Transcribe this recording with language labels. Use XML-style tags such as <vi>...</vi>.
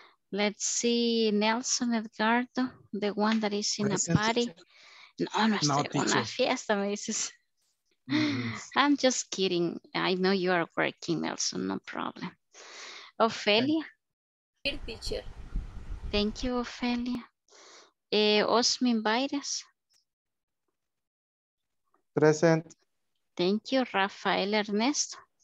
<en>Let's see, Nelson Edgardo, the one that is in present, a party. Teacher.</en> <es>No, no estoy en una fiesta, me dices.</es> <en>I'm just kidding. I know you are working, Nelson, no problem. Ofelia. Here, teacher. Thank you, Ofelia. Osmin Baires. Present. Thank you, Rafael Ernesto.</en>